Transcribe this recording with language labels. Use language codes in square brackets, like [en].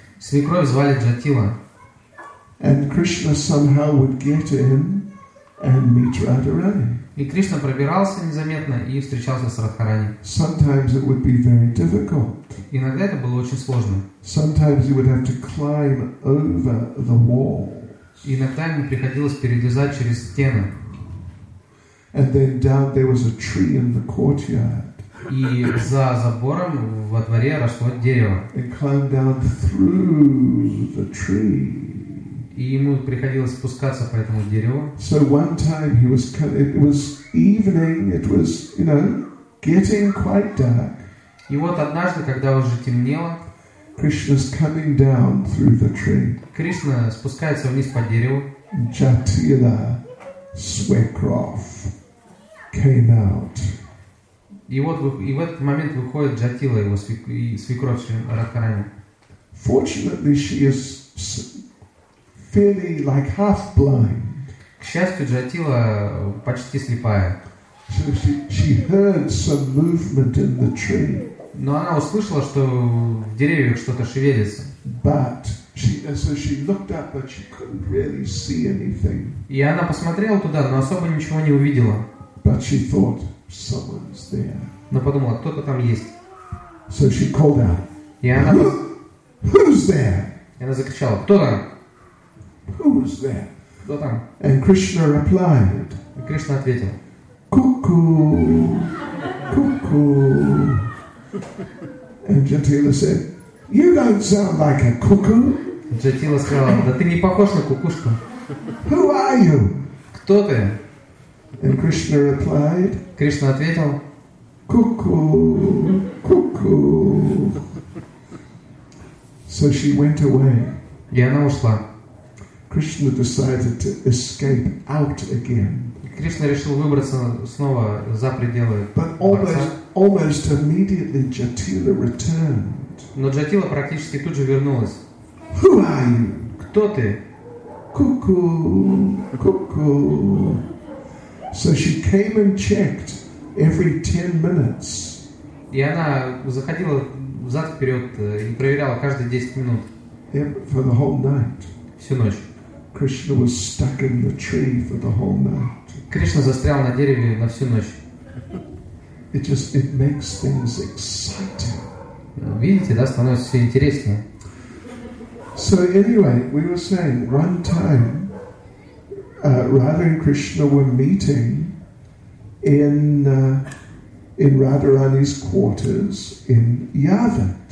[ru] Свекровь звали Джатила. [en] And Krishna somehow would get in And meet Radharani. [ru] И Кришна пробирался незаметно и встречался с Радхарани. [en] Sometimes it would be very difficult. [ru] Иногда это было очень сложно. [en] Sometimes you would have to climb over the wall. [ru] Иногда ему приходилось перелезать через стены. [en] And then down there was a tree in the courtyard. [ru] И за забором во дворе росло дерево. [en] And climb down through the tree. [ru] И ему приходилось спускаться по этому дереву. [en] So one time he was, it was evening, it was, you know, getting quite dark. [ru] И вот однажды, когда уже темнело, [en] Krishna's coming down through the tree. [ru] Кришна спускается вниз по дереву. [en] Jatila Swekroff came out. [ru] И в этот момент выходит Джатила, его свекровь Радхарани. [en] Fortunately, she is fairly like half blind. [ru] К счастью, Джатила почти слепая. [en] So she heard some movement in the tree. [ru] Но она услышала, что в деревьях что-то шевелится. [en] But she, so she looked up, but she couldn't really see anything. [ru] И она посмотрела туда, но особо ничего не увидела. [en] But she thought someone's there. [ru] Но подумала, кто-то там есть. [en] So she called out. [ru] И она [en] Who's there? [ru] И она закричала, кто там? [en] Who's there? [ru] Кто там? [en] And Krishna replied. [ru] И Кришна ответил. Ку-ку, ку-ку. [en] And Jatila said, "You don't sound like a cuckoo." [ru] Jatila сказала, "Да ты не похож на кукушку." [en] Who are you? [ru] Кто ты? [en] And Krishna replied. [ru] Кришна ответил, [en] "Cuckoo, cuckoo." So she went away. [ru] И она ушла. [en] Krishna decided to escape out again. [ru] Кришна решил выбраться снова за пределы. [en] But almost immediately Jatila returned. [ru] Но Джатила практически тут же вернулась. [en] Who are you? [ru] Кто ты? [en] Ку-ку, ку-ку. So she came and checked every 10 minutes. [ru] И она заходила взад вперед и проверяла каждые 10 минут. [en] Yep, for the whole night. [ru] Всю ночь. [en] Krishna was stuck in the tree for the whole night. [ru] Кришна застрял на дереве на всю ночь. [en] It just it makes things exciting. [ru] Видите, да, становится все интереснее. [en] So anyway, we were saying one time Radha and Krishna were meeting in Radharani's quarters in Yavat.